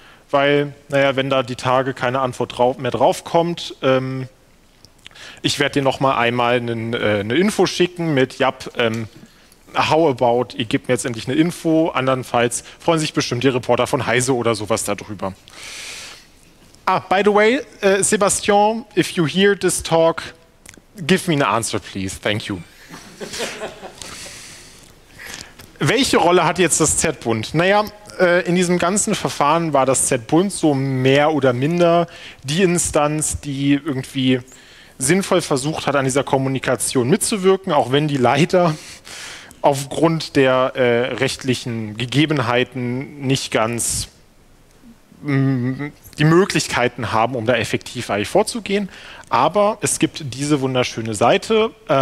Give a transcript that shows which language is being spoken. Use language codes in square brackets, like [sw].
[de] Weil, wenn da die Tage keine Antwort draufkommt, ich werde dir nochmal einmal eine Info schicken mit: [en] how about, [de] ihr gebt mir jetzt endlich eine Info, andernfalls freuen sich bestimmt die Reporter von Heise oder sowas darüber. [en] Ah, by the way, Sebastian, if you hear this talk, give me an answer, please. Thank you. [de] Welche Rolle hat jetzt das Z-Bund? In diesem ganzen Verfahren war das Z-Bund so mehr oder minder die Instanz, die irgendwie sinnvoll versucht hat, an dieser Kommunikation mitzuwirken, auch wenn die leider aufgrund der rechtlichen Gegebenheiten nicht ganz die Möglichkeiten haben, um da effektiv eigentlich vorzugehen. Aber es gibt diese wunderschöne Seite,